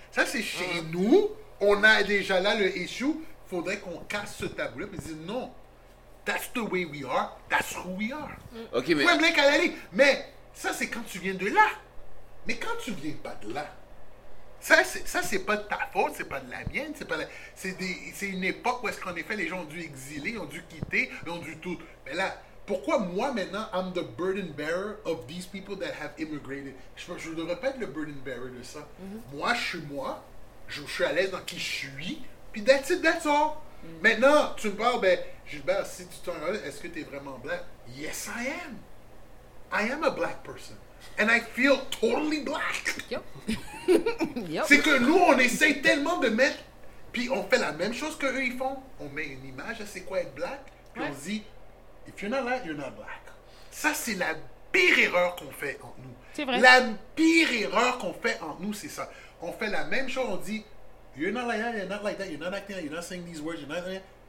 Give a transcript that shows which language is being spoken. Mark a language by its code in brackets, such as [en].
[fr] Ça c'est chez nous. On a déjà là le issue, faudrait qu'on casse ce tabou-là et dire non, [en] that's the way we are, [fr] that's who we are. Ok, mais ça, c'est quand tu viens de là. Mais quand tu viens pas de là, ça c'est pas de ta faute, c'est pas de la mienne, c'est une époque où est-ce qu'en effet, les gens ont dû exiler, ont dû quitter, ont dû tout. Mais là, pourquoi moi maintenant, [en] I'm the burden bearer of these people that have immigrated? [fr] Je ne devrais pas être le [en] burden bearer [fr] de ça. Mm-hmm. Moi, je suis moi. Je suis à l'aise dans qui je suis, puis [en] that's it, that's all. [fr] Maintenant, tu me parles, ben, Gilbert, si tu t'en rends, est-ce que tu es vraiment black? [en] Yes, I am. I am a black person. And I feel totally black. Yep. [fr] C'est que nous, on essaie tellement de mettre, puis on fait la même chose qu'eux, ils font. On met une image à c'est quoi être black, puis on dit, [en] if you're not black, [fr] you're not black. Ça, c'est la pire erreur qu'on fait en nous. C'est vrai. La pire erreur qu'on fait en nous, c'est ça. On fait la même chose, on dit [en] you're not like that, you're not like that, you're not acting, you're not saying these words, you're not saying.